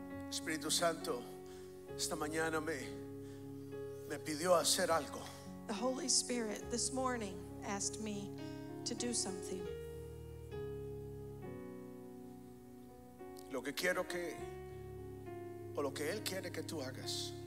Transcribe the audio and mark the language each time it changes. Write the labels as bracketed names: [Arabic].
[Spanish] Espíritu Santo, esta mañana me pidió hacer algo. [English] The Holy Spirit this morning asked me to do something. [Spanish] Lo que quiero que, o lo que él quiere que tú hagas,